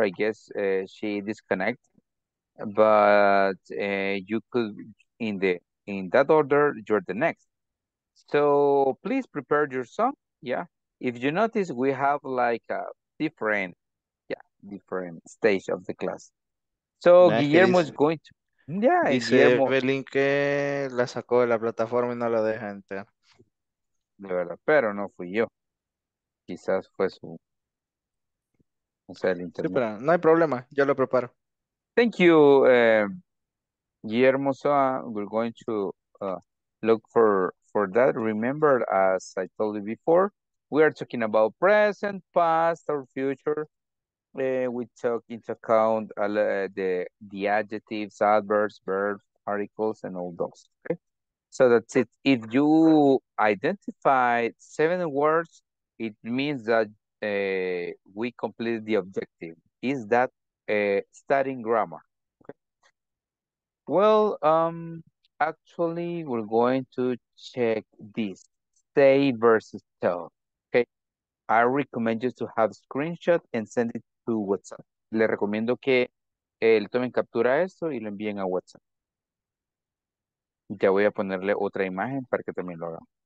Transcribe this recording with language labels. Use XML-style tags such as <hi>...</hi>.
<en>I guess she disconnected. But you could, in that order, you're the next. So please prepare your song. Yeah. If you notice, we have like a different stage of the class. So nice. Guillermo is going to. Yeah.</en> <es>Dice Evelyn que la sacó de la plataforma y no la deja entrar. De verdad, pero no fui yo. Quizás fue su. O sea, el internet. Sí, pero no hay problema, yo lo preparo.</es> <en>Thank you, Guillermo. So we're going to look for that. Remember, as I told you before, we are talking about present, past, or future. We took into account the adjectives, adverbs, verbs, articles, and all those. Okay. So that's it. If you identify 7 words, it means that we completed the objective. Is that studying grammar? Okay. Well, actually, we're going to check this. Say versus tell. Okay. I recommend you to have a screenshot and send it to WhatsApp.</en> <es>Le recomiendo que él tomen captura esto y lo envíen a WhatsApp. Ya voy a ponerle otra imagen para que también lo haga.</es>